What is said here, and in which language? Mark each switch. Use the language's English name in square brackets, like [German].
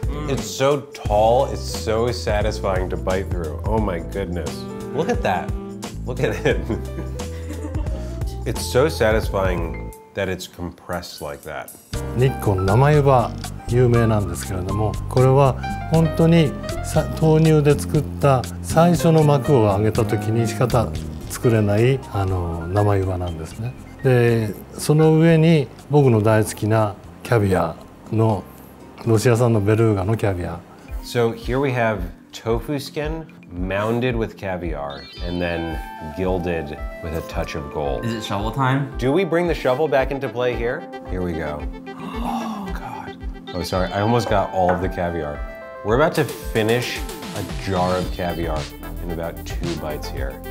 [English] It's so tall, it's so satisfying to bite through. Oh my goodness. Look at that. Look at it. It's so satisfying that it's compressed like that. [Japanese] 日光の生湯は有名なんですけれども、これは本当に豆乳で作った最初の膜を揚げた時に仕方作れないあの生湯なんですね。で、その上に僕の大好きなキャビアのロシア産のベルーガのキャビア。 [English] So here we have tofu skin mounded with caviar and then gilded with a touch of gold. Is it shovel time? Do we bring the shovel back into play here? Here we go. Oh god. Oh sorry, I almost got all of the caviar. We're about to finish a jar of caviar in about 2 bites here.